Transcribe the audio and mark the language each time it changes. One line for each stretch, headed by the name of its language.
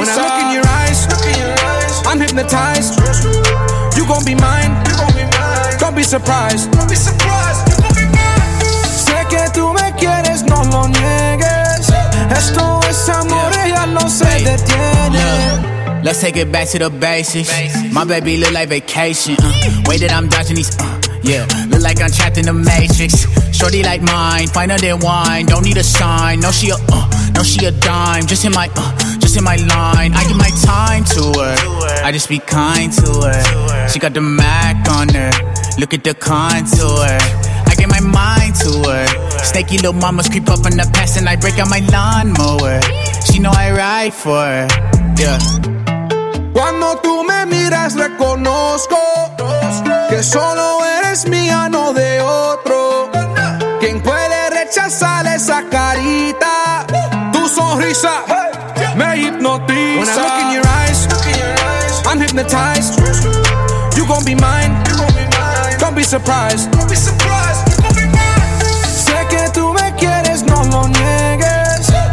English: When I look in your eyes, I'm hypnotized. You gon' be mine, don't be surprised, you gon' be mine.
Spanish: Sé que tú me quieres, no lo niegues. Esto es amor, ella no se detiene.
English: Let's take it back to the basics. My baby look like vacation. Way that I'm dodging these, look like I'm trapped in the matrix. Shorty like mine, finer than wine. Don't need a sign, no she a dime. Just in my line. I give my time to her, I just be kind to her. She got the Mac on her, look at the contour. I give my mind to her. Snakey little mamas creep up in the past, and I break out my lawnmower. She know I ride for her, yeah.
Spanish: Cuando tú me miras reconozco que solo eres mía, no de otro. ¿Quién puede rechazar esa carita? Tu sonrisa me hipnotiza.
English: When I look in your eyes, I'm hypnotized. You gon' be mine, don't be surprised, you gon' be mine.
Spanish: Sé que tú me quieres, no lo niegues.